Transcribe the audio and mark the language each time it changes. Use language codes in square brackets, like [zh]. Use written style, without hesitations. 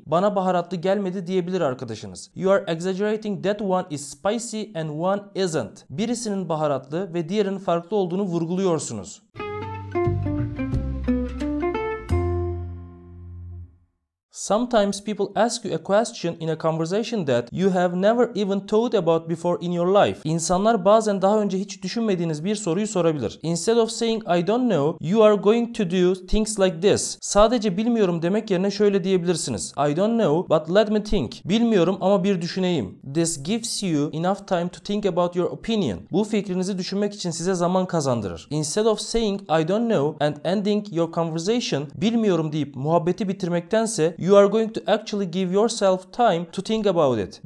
[tr] Bana baharatlı gelmedi diyebilir arkadaşınız. [en] You are exaggerating that one is spicy and one isn't. [tr] Birisinin baharatlı ve diğerinin farklı olduğunu vurguluyorsunuz. [en] Sometimes people ask you a question in a conversation that you have never even thought about before in your life. [tr] İnsanlar bazen daha önce hiç düşünmediğiniz bir soruyu sorabilir. [en] Instead of saying I don't know, you are going to do things like this. [tr] Sadece bilmiyorum demek yerine şöyle diyebilirsiniz. [en] I don't know, but let me think. [tr] Bilmiyorum ama bir düşüneyim. [en] This gives you enough time to think about your opinion. [tr] Bu fikrinizi düşünmek için size zaman kazandırır. [en] Instead of saying I don't know and ending your conversation, [tr] bilmiyorum deyip muhabbeti bitirmektense, [en] you are going to actually give yourself time to think about it.